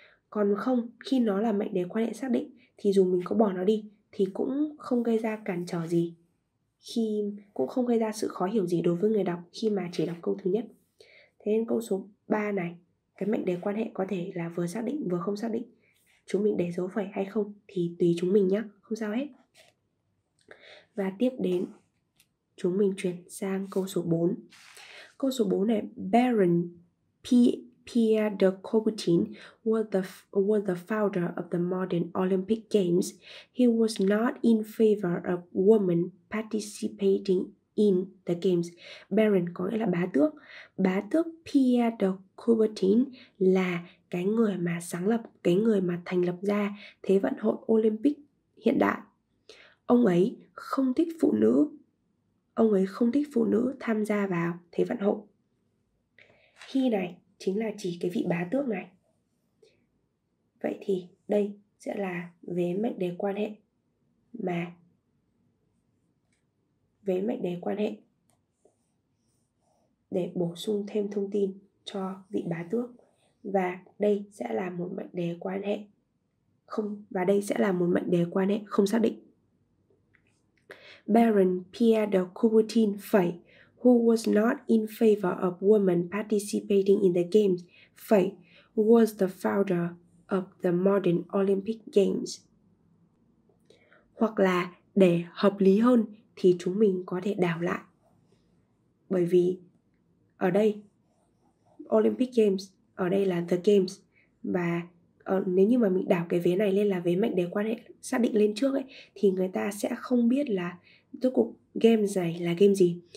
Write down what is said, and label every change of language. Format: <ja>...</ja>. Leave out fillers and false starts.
<vi>Còn không, khi nó là mệnh đề quan hệ xác định thì dù mình có bỏ nó đi thì cũng không gây ra cản trở gì, khi cũng không gây ra sự khó hiểu gì đối với người đọc khi mà chỉ đọc câu thứ nhất. Thế nên câu số 3 này, cái mệnh đề quan hệ có thể là vừa xác định vừa không xác định. Chúng mình để dấu phẩy hay không thì tùy chúng mình nhé, không sao hết. Và tiếp đến, chúng mình chuyển sang câu số 4. Câu số 4 này,</vi> <en>Baron Pierre de Coubertin was the founder of the modern Olympic Games. He was not in favor of women participating in the games.</en> <vi>Baron có nghĩa là bá tước. Bá tước Pierre de Coubertin là cái người mà sáng lập, cái người mà thành lập ra Thế vận hội Olympic hiện đại. Ông ấy không thích phụ nữ. Ông ấy không thích phụ nữ tham gia vào Thế vận hội. He này chính là chỉ cái vị bá tước này. Vậy thì đây sẽ là về mệnh đề quan hệ mà với mệnh đề quan hệ để bổ sung thêm thông tin cho vị bá tước. Và đây sẽ là một mệnh đề quan hệ không, và đây sẽ là một mệnh đề quan hệ không xác định.</vi> <en>Baron Pierre de Coubertin phải, who was not in favor of women participating in the games, phải, was the founder of the modern Olympic Games.</en> <vi>Hoặc là để hợp lý hơn thì chúng mình có thể đảo lại. Bởi vì ở đây Olympic Games, ở đây là The Games. Và nếu như mà mình đảo cái vế này lên là vế mệnh đề quan hệ xác định lên trước ấy, thì người ta sẽ không biết là rốt cuộc Games này là game gì.</vi>